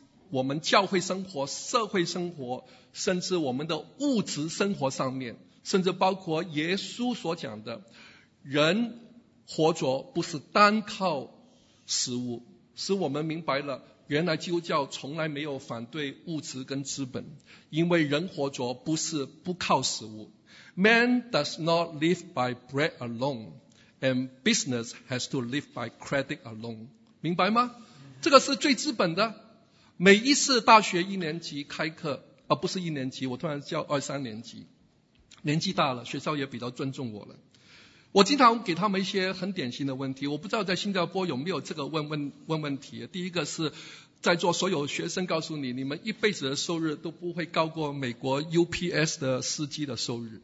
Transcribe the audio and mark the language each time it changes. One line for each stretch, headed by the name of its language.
Chinese: 我们教会生活、社会生活，甚至我们的物质生活上面，甚至包括耶稣所讲的人活着不是单靠食物，使我们明白了原来基督教从来没有反对物质跟资本，因为人活着不是不靠食物。
English: Man does not live by bread alone and business has to live by credit alone，
Chinese: 明白吗？这个是最资本的。每一次大学一年级开课不是一年级，我突然叫二三年级，年纪大了，学校也比较尊重我了。我经常给他们一些很典型的问题，我不知道在新加坡有没有这个问题。第一个是，在座所有学生告诉你，你们一辈子的收入都不会高过美国 UPS 的司机的收入。